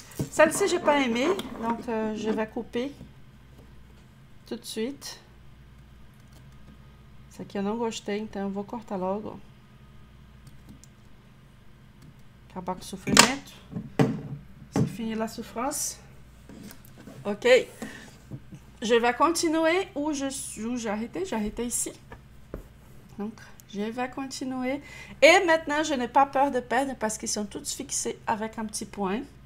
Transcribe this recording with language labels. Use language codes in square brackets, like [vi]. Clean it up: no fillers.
[fr] Celle-ci, j'ai pas aimé, donc je vais couper tout de suite. [pt] Celle que eu não gostei, então eu vou cortar logo. Acabar com o sofrimento. [fr] C'est fini la souffrance. Ok. Je vais continuer où j'arrêtais. J'arrêtais ici. Donc, je vais continuer. Et maintenant, je n'ai pas peur de perdre parce qu'ils sont tous fixés avec un petit point.